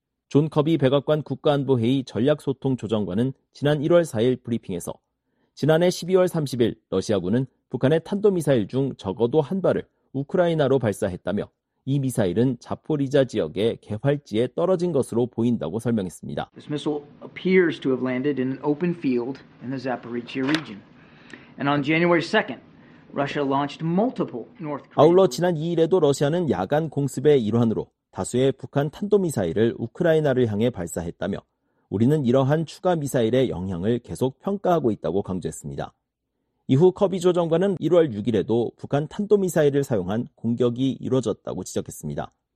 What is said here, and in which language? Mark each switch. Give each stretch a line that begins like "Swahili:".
Korean: 존 커비 백악관 국가안보회의 전략소통조정관은 지난 1월 4일 브리핑에서 지난해 12월 30일 러시아군은 북한의 탄도미사일 중 적어도 한 발을 우크라이나로 발사했다며 이 미사일은 자포리자 지역의 개활지에 떨어진 것으로 보인다고 설명했습니다.
English: This missile appears to have landed in an open field in the Zaporizhia region. And on January 2nd, Russia launched multiple North Korean.
Korean: 아울러 지난 2일에도 러시아는 야간 공습의 일환으로 다수의 북한 탄도미사일을 우크라이나를 향해 발사했다며 우리는 이러한 추가 미사일의 영향을 계속 평가하고 있다고 강조했습니다. 이후 커비 조정관은 1월 6일에도 북한 탄도미사일을 사용한 공격이 이뤄졌다고 지적했습니다.